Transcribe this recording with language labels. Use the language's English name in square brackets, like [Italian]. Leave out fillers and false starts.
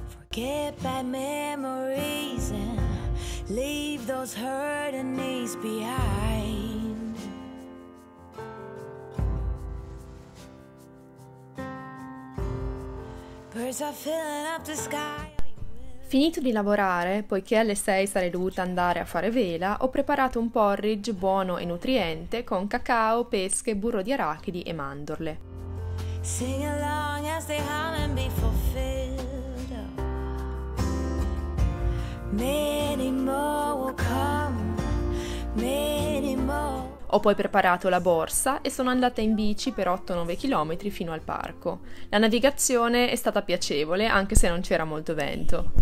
[English] Get bad memories and leave those hurting knees behind. Birds are filling up the sky. [Italian] Finito di lavorare, poiché alle 6 sarei dovuta andare a fare vela, ho preparato un porridge buono e nutriente con cacao, pesche, burro di arachidi e mandorle. [English] Sing along as they hum and be fulfilled. Many more will come, many more. [Italian] Ho poi preparato la borsa e sono andata in bici per 8-9 km fino al parco. La navigazione è stata piacevole anche se non c'era molto vento.